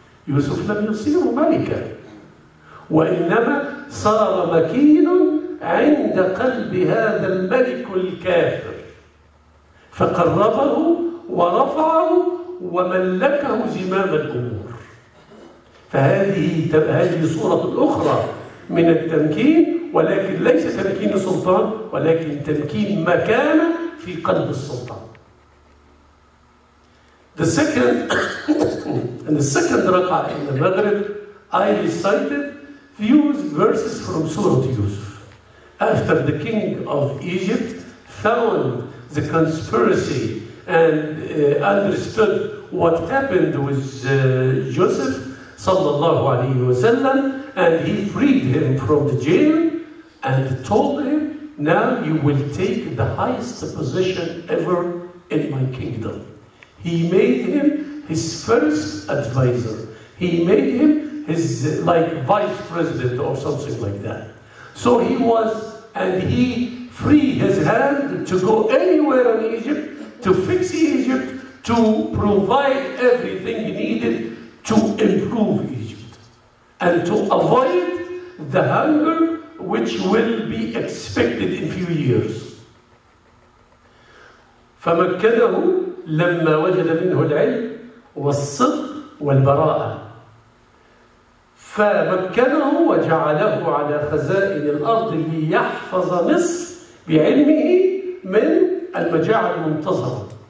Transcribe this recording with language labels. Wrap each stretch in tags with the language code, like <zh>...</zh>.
<ar>يوسف لم يصير ملكا وإنما صار مكين عند قلب هذا الملك الكافر فقربه ورفعه وملكه زمام الأمور. فهذه صورة أخرى من التمكين ولكن ليس تمكين السلطان ولكن تمكين مكانة في قلب السلطان.</ar> <en>The second ركعة in the Maghrib, I recited few verses from Surah Yusuf. After the king of Egypt found the conspiracy and understood what happened with Joseph sallallahu alayhi wa sallam, and he freed him from the jail and told him, now you will take the highest position ever in my kingdom. He made him his first advisor. He made him his like vice president or something like that. So he was, and he freed his hand to go anywhere in Egypt, to fix Egypt, to provide everything needed to improve Egypt and to avoid the hunger which will be expected in few years.</en> <ar>فمكنه لما وجد منه العلم والصدق والبراءة. فمكنه وجعله على خزائن الأرض ليحفظ مصر بعلمه من المجاعة المنتظرة.</ar>